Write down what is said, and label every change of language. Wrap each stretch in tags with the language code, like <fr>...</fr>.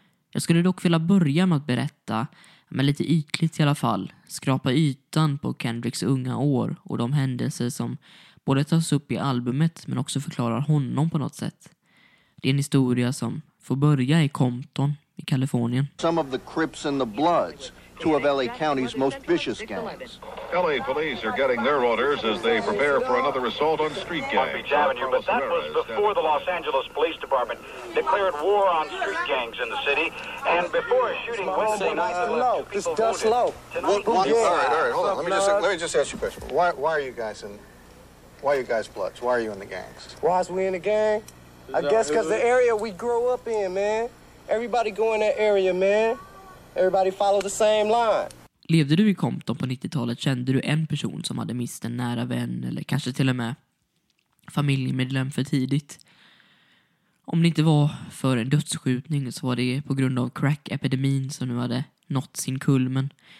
<sv>Jag skulle dock vilja börja med att berätta, lite ytligt i alla fall, skrapa ytan på Kendricks unga år och de händelser som både tas upp i albumet men också förklarar honom på något sätt. Det är en historia som får börja i Compton i Kalifornien.</sv> <en>Some of the Crips and the Bloods. Two of LA County's most vicious gangs. LA police are getting their orders as they prepare for another assault on street gangs. But that was before the Los Angeles Police Department declared war on street gangs in the city. And before a shooting Wednesday night, two people this does low. All right, hold on. Let me just ask you a question. Why are you guys Bloods? Why are you in the gangs? Why is we in the gang? I guess because the area we grow up in, man. Everybody go in that area, man. Everybody follow the same line.</en> <sv>Levde du i Compton på 90-talet, kände du en person som hade mist en nära vän eller kanske till och med familjemedlem för tidigt? Om det inte var för en dödsskjutning så var det på grund av crack-epidemin som nu hade nått sin kulmen.</sv>